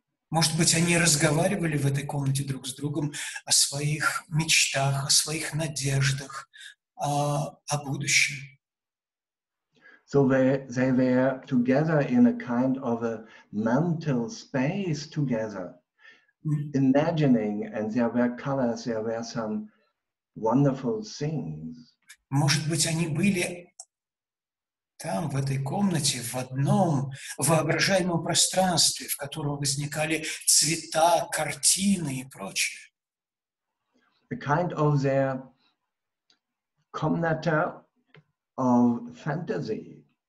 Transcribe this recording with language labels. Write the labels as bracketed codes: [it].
[ru] Может быть, они разговаривали в этой комнате друг с другом о своих мечтах, о своих надеждах, о будущем. [en] So they were together in a kind of a mental space together, imagining, and there were colors, there were some wonderful things. [ru] Может быть, они были там, в этой комнате, в одном воображаемом пространстве, в котором возникали цвета, картины и прочее. [en] A kind of their комната of fantasy.